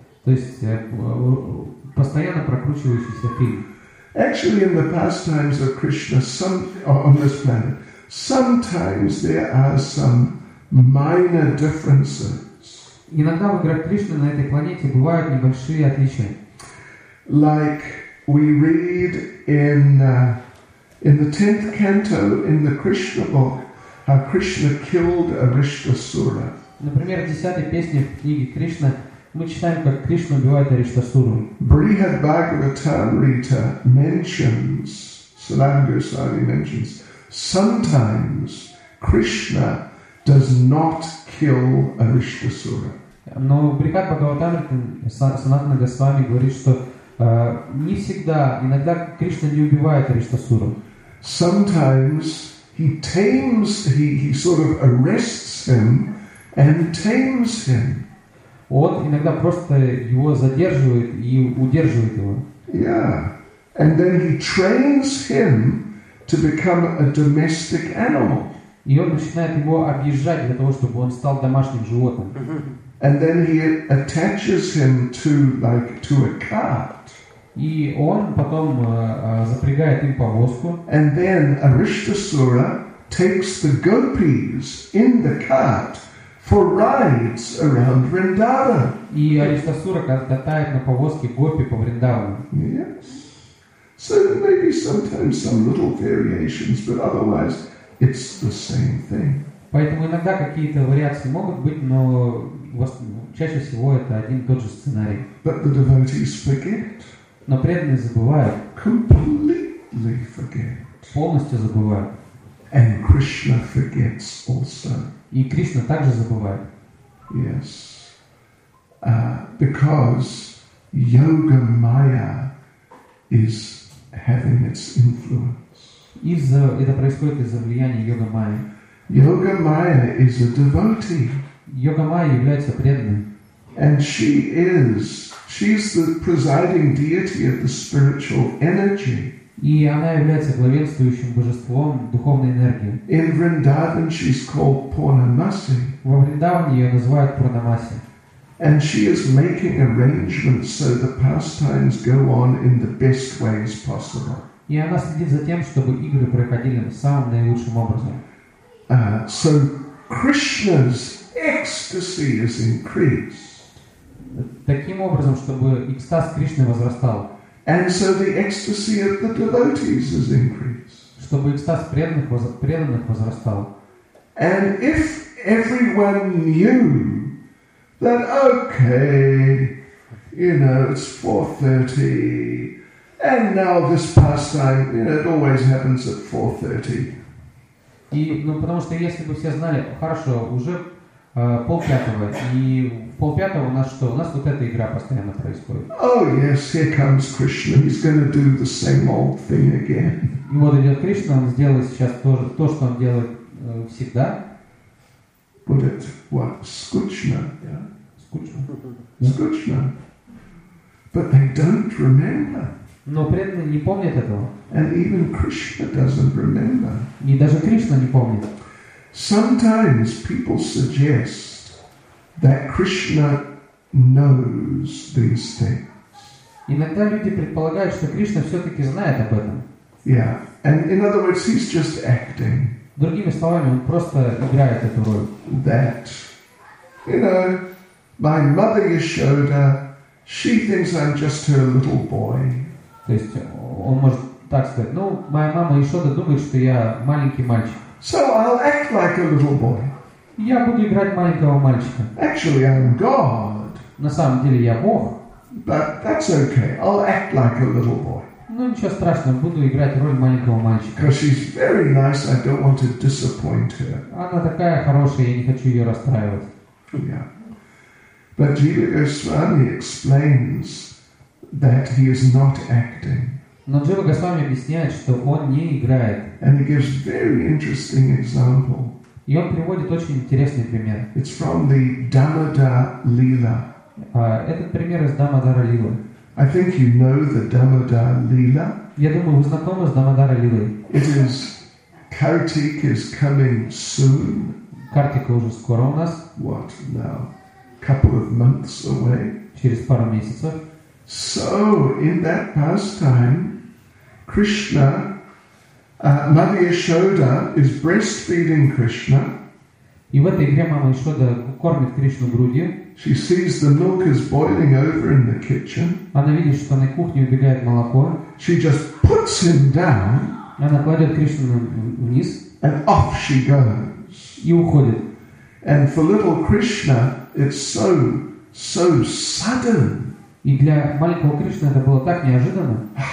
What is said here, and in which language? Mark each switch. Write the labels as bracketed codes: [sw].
[ru] То есть постоянно прокручивающийся фильм. [en] Actually, in the pastimes of Krishna, on this planet. Sometimes there are some minor differences. [ru] Иногда в играх Кришны на этой планете бывают небольшие отличия. [en] Like we read in the 10th canto in the Krishna book, how Krishna killed Arishtasura. [ru] Например, в 10-й песне в книге Кришна мы читаем, как Кришна убивает Арештасуру. [en] Brihad Bhagavatamrita mentions, Sanatan Goswami mentions, sometimes Krishna does not kill Arishtasura. [ru] Но Брихад Бхагаватамрита Санатана Госвами говорит, что не всегда, иногда Кришна не убивает Арештасуру. [en] Sometimes he tames, he sort of arrests him and tames him. [ru] Он иногда просто его задерживает и удерживает его. [en] Yeah, and then he trains him to become a domestic animal. [ru] И он начинает его объезжать для того, чтобы он стал домашним животным. [en] And then he attaches him to a cart. [ru] И он потом запрягает им повозку. [en] And then Arishtasura takes the gopis in the cart for rides around Vrindavan. [ru] И Арештасура катает на повозке гопи по Вриндавану. [en] Yes. So there may be sometimes some little variations, but otherwise it's the same thing. [ru] Поэтому иногда какие-то вариации могут быть, но чаще всего это один и тот же сценарий. [en] But the devotees forget. [ru] Но преданные забывают. [en] Completely forget. [ru] Полностью забывают. [en] And Krishna forgets also. [ru] И Кришна также забывает. [en] Yes. Because yoga maya is having its influence. [ru] Это происходит из-за влияния йога майи. [en] Йога майя is a devotee. [ru] Йога майя является преданной. [en] And she's the presiding deity of the spiritual energy. [ru] И она является главенствующим божеством духовной энергии. [en] In Vrindavan she's called Purnamasi. [ru] Во Вриндаване ее называют Пурнамаси. [en] And she is making arrangements so the pastimes go on in the best ways possible. [ru] И она следит за тем, чтобы игры проходили самым наилучшим образом. [en] So Krishna's ecstasy is increased. [ru] Таким образом, чтобы экстаз Кришны возрастал. [en] And so the ecstasy of the devotees is increased. [ru] Чтобы экстаз преданных возрастал. [en] And if everyone knew that, okay, you know, it's 4:30, and now this pastime, you know, it always happens at 4:30. [ru] И, ну, потому что если бы все знали, хорошо, уже полпятого, и полпятого у нас что? У нас вот эта игра постоянно происходит. [en] Oh yes, here comes Krishna. He's going to do the same old thing again. [ru] И вот идет Кришна, он сделает сейчас тоже то, что он делает всегда. [en] Put it what? [ru] Скучно, [en] yeah? [ru] Скучно. [en] But they don't remember. [ru] Но преданные не помнят этого. [en] And even Krishna doesn't remember. [ru] И даже Кришна не помнит. [en] Sometimes people suggest that Krishna knows these things. [ru] Иногда люди предполагают, что Кришна все-таки знает об этом. [en] Yeah. And in other words, he's just acting. [ru] Другими словами, он просто играет эту роль. [en] That, you know, my mother Yashoda, she thinks I'm just her little boy. [ru] То есть он может так сказать: ну, моя мама Яшода думает, что я маленький мальчик. [en] So I'll act like a little boy. [ru] Я буду играть маленького мальчика. [en] Actually, I'm God. [ru] На самом деле я Бог. [en] But that's okay. I'll act like a little boy. [ru] Ну ничего страшного, буду играть роль маленького мальчика. [en] Because she's very nice. I don't want to disappoint her. [ru] Она такая хорошая, я не хочу ее расстраивать. [en] Yeah. But Jiva Goswami explains that he is not acting. [ru] Но Джива Госвами объясняет, что он не играет. [en] And he gives very interesting example. [ru] И он приводит очень интересный пример. [en] It's from the Damodara Lila. [ru] Этот пример из Дамодара Лилы. [en] I think you know the Damodara Lila. [ru] Я думаю, вы знакомы с Дамодара Лилой. [en] It is Kartik is coming soon. [ru] Картика уже скоро у нас. [en] What now? Couple of months away. [ru] Через пару месяцев. [en] So in that pastime, Krishna, Mother Yashoda is breastfeeding Krishna. [ru] И в этой игре мама Яшода кормит Кришну грудью. [en] She sees the milk is boiling over in the kitchen. [ru] Она видит, что на кухне убегает молоко. [en] She just puts him down. [ru] Она кладет Кришну вниз. [en] And off she goes. [ru] И уходит. [en] And for little Krishna, it's so sudden. [ru] И для маленького Кришны это было так неожиданно.